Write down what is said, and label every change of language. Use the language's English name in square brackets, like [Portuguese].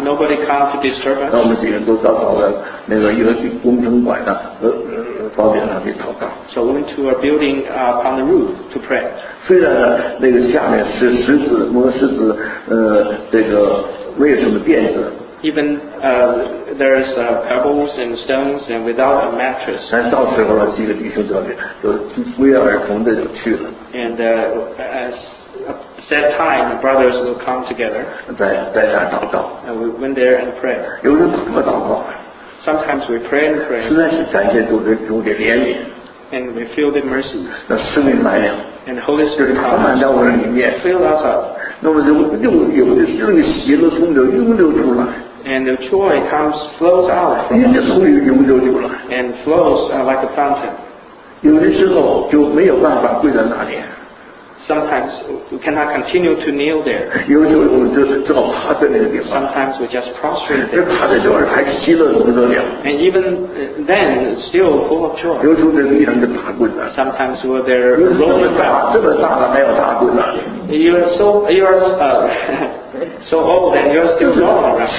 [English] Nobody come to disturb us. [Chinese] 那我们几个人都到了那个一个工程馆的房顶上去祷告。 [English] So we went to a building upon the roof to pray. [Chinese] 虽然呢，那个下面是石子磨石子，这个没有什么垫子。 [English] Even there's pebbles and stones and without a mattress. [Chinese] 但到时候呢，几个弟兄这里就不约而同的就去了。 [English] And as set time, the brothers will come together. [Chinese] 在那祷告。 [English] And we went there and prayed. [Chinese] 有时怎么祷告？ [English] Sometimes we pray and pray. [Chinese] 实在是感谢主的怜悯。 [English] And we feel the mercy. [Chinese] 那圣灵来了。 [English] And the Holy Spirit comes. [Chinese] 充满在我们里面。 [English] Fill us up. [Chinese] 那么就有的是那个喜乐从里涌流出来 [English] ，and the joy comes flows out， [Chinese] 人家从里涌流出来 [English] ，and flows like a fountain。 [Chinese] 有的时候就没有办法跪在那里 [English] ，sometimes we cannot continue to kneel there。 [Chinese] 有时候我们就只好趴在那个地方 [English] ，sometimes we just prostrate there。 [Chinese] 趴在这儿还是喜乐不得了 [English] ，and even then still full of joy。 [Chinese] 有时候在地上就打滚了 [English] ，sometimes we're there rolling about。 [Chinese] 这么大的还要打滚了。 [English] You are so old and you're still wrong, right?